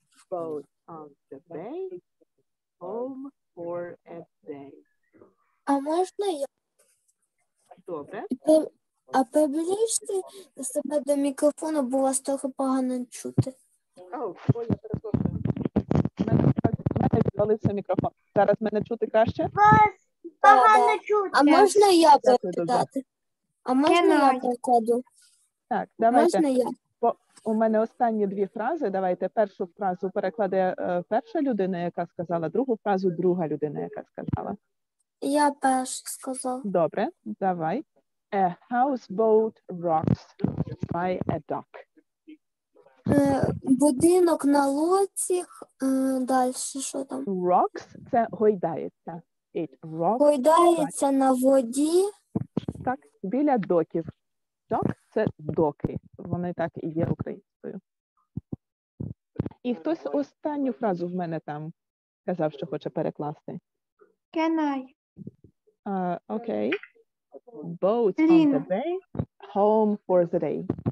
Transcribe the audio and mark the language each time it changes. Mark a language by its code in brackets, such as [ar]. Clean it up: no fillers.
[en] Both on the bay, home or a day. [uk] А можна я? Добре. А приближте себе до мікрофону, бо вас трохи погано чути. У мене звалився мікрофон. Зараз мене чути краще? Вас погано чути. А можна я перепитати? А можна я перекладу? Так, давайте. Бо у мене останні дві фрази. Давайте першу фразу перекладає перша людина, яка сказала, другу фразу друга людина, яка сказала. Я перша сказала. Добре, давай. [en] A houseboat rocks by a dock. [uk] Будинок на лодці. Далі що там? [en] Rocks – [uk] це гойдається. [en] It rocks. [uk] Гойдається на воді. Так, біля доків. Док – це доки. Вони так і є українською. І хтось останню фразу в мене там казав, що хоче перекласти. [en] Can I? [uk] Окей. [en] Boat on the bay, home for the day.